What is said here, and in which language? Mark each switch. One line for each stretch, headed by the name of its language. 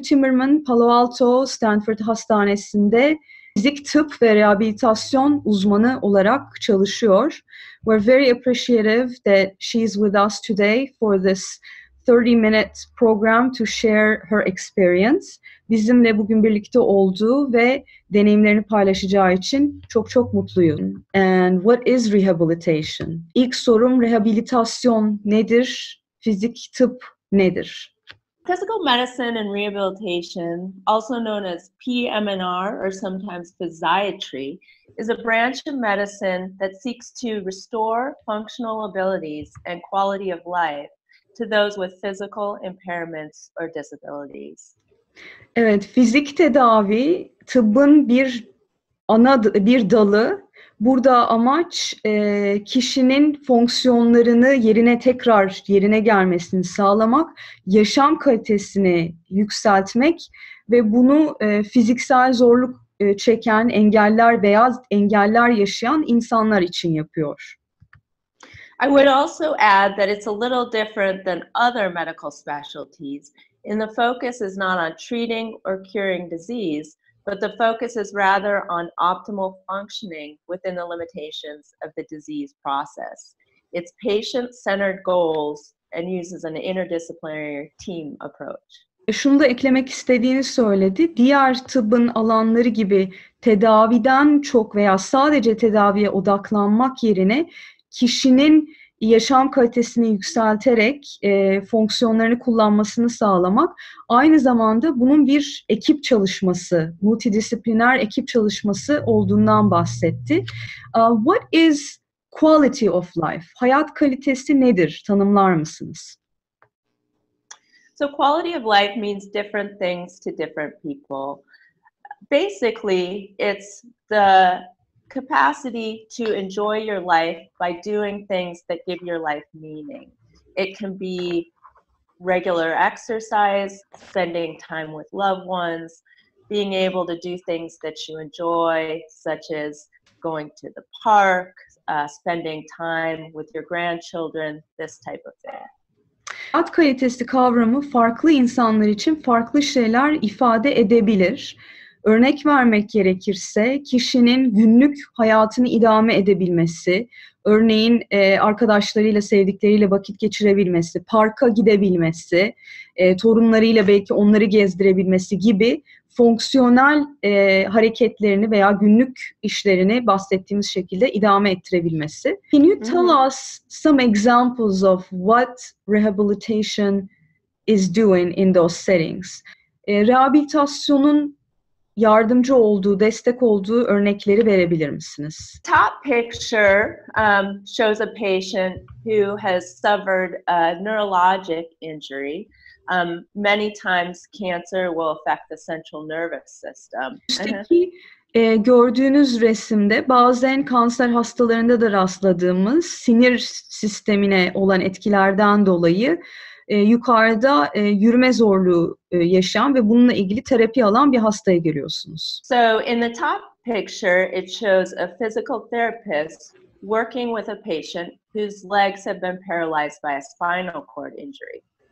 Turkish: Timmerman, Palo Alto Stanford Hastanesi'nde fizik tıp ve rehabilitasyon uzmanı olarak çalışıyor.
English: We're very appreciative that she's with us today for this 30-minute program to share her experience.
Turkish: Bizimle bugün birlikte olduğu ve deneyimlerini paylaşacağı için çok çok mutluyum.
English: And what is rehabilitation?
Turkish: İlk sorum, rehabilitasyon nedir? Fizik tıp nedir?
English: Physical medicine and rehabilitation, also known as PM&R or sometimes physiatry, is a branch of medicine that seeks to restore functional abilities and quality of life to those with physical impairments or disabilities.
Turkish: Evet, fizik tedavi tıbbın bir dalı. Burada amaç kişinin fonksiyonlarını yerine gelmesini sağlamak, yaşam kalitesini yükseltmek ve bunu fiziksel zorluk çeken, engeller veya engeller yaşayan insanlar için yapıyor.
English: I would also add that it's a little different than other medical specialties. And the focus is not on treating or curing disease, but the focus is rather on optimal functioning within the limitations of the disease process. It's patient-centered goals and uses an interdisciplinary team approach.
Turkish: Şunu da eklemek istediğini söyledi. Diğer tıbbın alanları gibi tedaviden çok veya sadece tedaviye odaklanmak yerine kişinin yaşam kalitesini yükselterek fonksiyonlarını kullanmasını sağlamak, aynı zamanda bunun bir ekip çalışması, multidisipliner ekip çalışması olduğundan bahsetti.
English: What is quality of life?
Turkish: Hayat kalitesi nedir? Tanımlar mısınız?
English: So quality of life means different things to different people. Basically, it's the capacity to enjoy your life by doing things that give your life meaning. It can be regular exercise, spending time with loved ones, being able to do things that you enjoy, such as going to the park, spending time with your grandchildren, this type of thing.
Turkish: Hayat kalitesi kavramı farklı insanlar için farklı şeyler ifade edebilir. Örnek vermek gerekirse kişinin günlük hayatını idame edebilmesi, örneğin arkadaşlarıyla, sevdikleriyle vakit geçirebilmesi, parka gidebilmesi, torunlarıyla belki onları gezdirebilmesi gibi fonksiyonel hareketlerini veya günlük işlerini bahsettiğimiz şekilde idame ettirebilmesi.
English: Can you tell us some examples of what rehabilitation is doing in those settings?
Turkish: Rehabilitasyonun yardımcı olduğu, destek olduğu örnekleri verebilir misiniz?
English: Top picture shows a patient who has suffered a neurologic injury. Many times cancer will affect the central nervous system.
Turkish: Üstteki gördüğünüz resimde bazen kanser hastalarında da rastladığımız sinir sistemine olan etkilerden dolayı yukarıda yürüme zorluğu yaşayan ve bununla ilgili terapi alan bir hastaya giriyorsunuz.
English: So in the top picture it shows a physical therapist working with a patient whose legs have been paralyzed by a spinal cord injury.